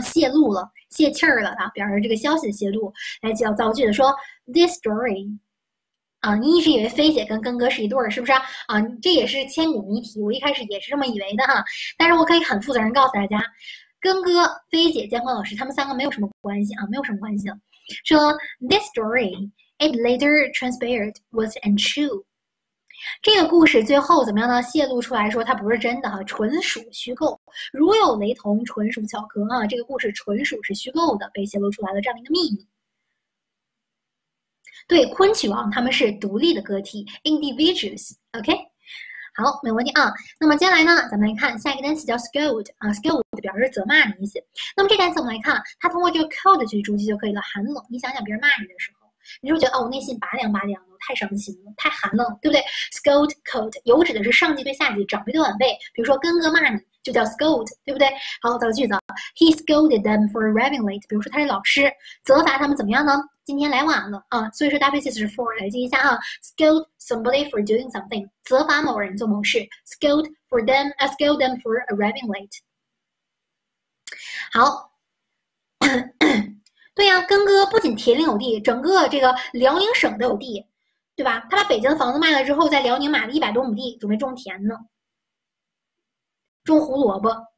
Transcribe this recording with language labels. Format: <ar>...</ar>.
<zh>泄露了，泄气儿了啊，表示这个消息的泄露。来，叫造句的说，this story。啊，你一直以为菲姐跟根哥是一对儿，是不是啊？啊，这也是千古谜题，我一开始也是这么以为的哈。但是我可以很负责任告诉大家，根哥、菲姐、监管老师他们三个没有什么关系啊，没有什么关系。</zh> <en>说 this story it later transpired was untrue，</en> <zh>这个故事最后怎么样呢？泄露出来说它不是真的哈，纯属虚构，如有雷同，纯属巧合啊。这个故事纯属是虚构的，被泄露出来了这样的一个秘密。对，昆曲王他们是独立的个体，individuals，OK，、okay? 好，没问题啊。那么接下来呢，咱们来看下一个单词叫 scold 啊，scold 表示责骂的意思。那么这单词我们来看，它通过这个 cold 去逐级就可以了。寒冷，你想想别人骂你的时候，你是不是觉得哦，我内心拔凉拔凉的，太伤心了，太寒冷，对不对？scold cold 有指的是上级对下级、长辈对晚辈，比如说哥哥骂你就叫 scold，对不对？好，造句子，</zh> <en>He scolded them for arriving late。</en> <zh>比如说他是老师，责罚他们怎么样呢？今天来晚了啊，所以说搭配介词 for 来记一下啊。</zh> <en>Scold somebody for doing something，</en> <zh>责罚某人做某事。</zh> <en>Scold for them，scold them for arriving late。</en> <zh>好，对呀、啊，根哥不仅铁岭有地，整个这个辽宁省都有地，对吧？他把北京的房子卖了之后，在辽宁买了100多亩地，准备种田呢，种胡萝卜。</zh>